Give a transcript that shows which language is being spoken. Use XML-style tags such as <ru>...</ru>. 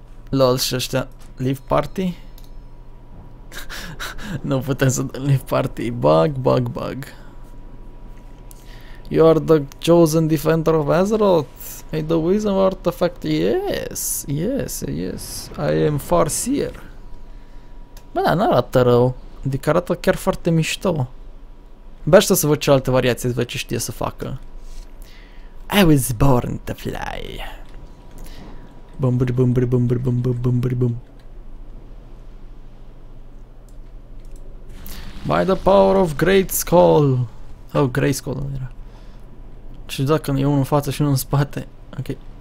<ro>Lol, și ăștia...</ro> <en>Leave party?</en> <ro>Nu putem să dăm</ro> <en>leave party. Bug, bug, bug. You are the chosen defender of Azeroth. May the wisdom artifact. Yes, yes, yes. I am Farseer.</en> <ro>Bă, da, n-arată rău. Adică arată chiar foarte mișto. Bă, aștept să văd ce alte variații, să văd ce știe să facă.</ro> <en>I was born to fly. Bum, bum, bum, bum, bum, bum, bum, bum, bum, bum. By the power of Great Skull.</en> <ro>Oh, Great Skull era. Și dacă e unul în față și unul în spate. Ok.</ro>